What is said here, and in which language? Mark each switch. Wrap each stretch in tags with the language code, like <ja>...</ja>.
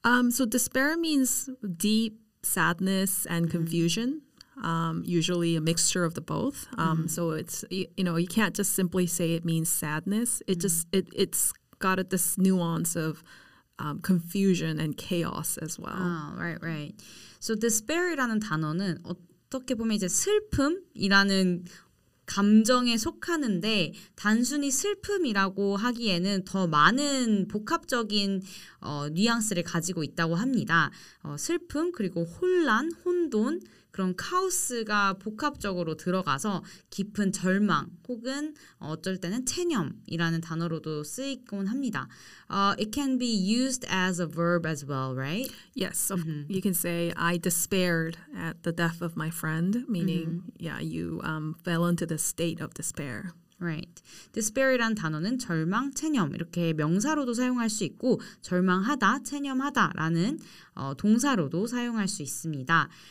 <en>So despair means deep sadness and confusion, usually a mixture of the both. So it's, you know, you can't just simply say it means sadness. It just, it's got this nuance of confusion and chaos as well. Oh, right, right.</en> <ko>So despair이라는 단어는 어떻게 보면 이제 슬픔이라는 감정에 속하는데 단순히 슬픔이라고 하기에는 더 많은 복합적인 뉘앙스를 가지고 있다고 합니다. 슬픔 그리고 혼란, 혼돈, 그런 카오스가 복합적으로 들어가서 깊은 절망 혹은 어쩔 때는 체념이라는 단어로도 쓰이곤 합니다.</ko> <en>It can be used as a verb as well, right? Yes, so you can say I despaired at the death of my friend, meaning you fell into the state of despair. Right.</en> <ko>Despair이라는 단어는 절망, 체념 이렇게 명사로도 사용할 수 있고 절망하다, 체념하다라는 동사로도 사용할 수 있습니다.</ko>